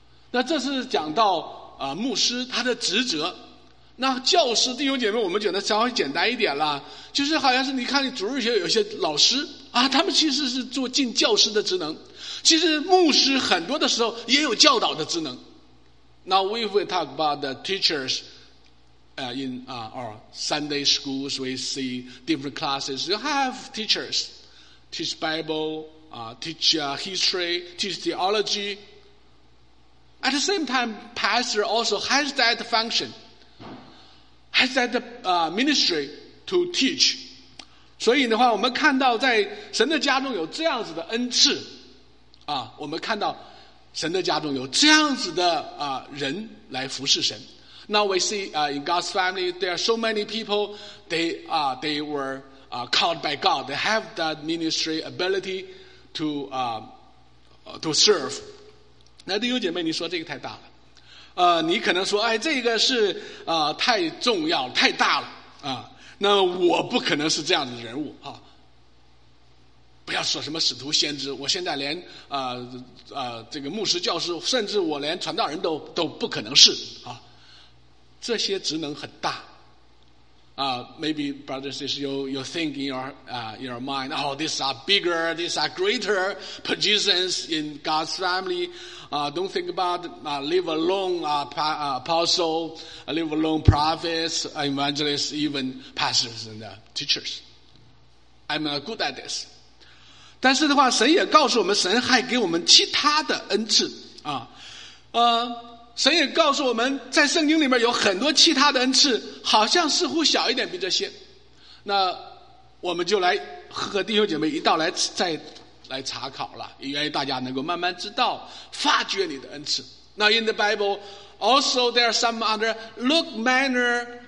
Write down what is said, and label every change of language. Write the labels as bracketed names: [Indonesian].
[Chinese] 那这是讲到牧师他的职责。那教师弟兄姐妹，我们觉得稍微简单一点了，就是好像是你看主日学有些老师啊，他们其实是做尽教师的职能。其实牧师很多的时候也有教导的职能。 [English] Now we will talk about the teachers. In our Sunday schools, we see different classes. You have teachers teach Bible, teach history, teach theology. At the same time, pastor also has that function, has that ministry to teach. [Chinese] 所以的话，我们看到在神的家中有这样子的恩赐啊，我们看到神的家中有这样子的人来服侍神。 [English] Now we see in God's family, there are so many people, they were called by God. They have that ministry ability to serve. [Chinese] 那弟兄姐妹，你说这个太大了。你可能说，哎，这个是太重要，太大了啊。那我不可能是这样的人物啊。不要说什么使徒先知，我现在连这个牧师教师，甚至我连传道人都不可能是啊。这些职能很大啊、 [English] maybe brothers and sisters, you think in your mind, oh, these are bigger, these are greater positions in God's family. Don't think about live alone apostle, live alone prophets, evangelists, even pastors and teachers. I'm not good at this. [Chinese] 但是的话，神也告诉我们，神还给我们其他的恩赐啊，神也告诉我们在圣经里面有很多其他的恩赐，好像似乎小一点比这些。那我们就来和弟兄姐妹一道来再来查考了，也愿意大家能够慢慢知道发掘你的恩赐。 [English] Now in the Bible also there are some other look minor